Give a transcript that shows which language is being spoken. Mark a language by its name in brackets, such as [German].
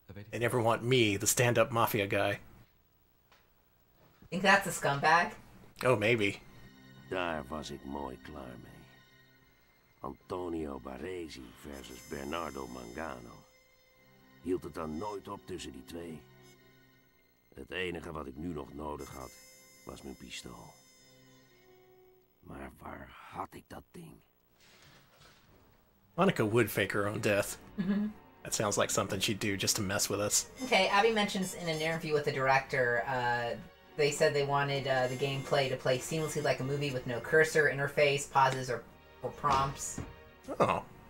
[English] They never want me, the stand-up mafia guy. Think that's a scumbag? Oh, maybe. [Dutch] Daar was ik mooi klaar mee. Antonio Baresi versus Bernardo Mangano. Hield het dan nooit op tussen die twee? Het enige wat ik nu nog nodig had, was mijn pistool. Maar waar had ik dat ding? [English] Monica would fake her own death. That sounds like something she'd do just to mess with us. Okay, Abby mentions in an interview with the director, they said they wanted the gameplay to play seamlessly like a movie with no cursor interface, pauses, or prompts. Oh.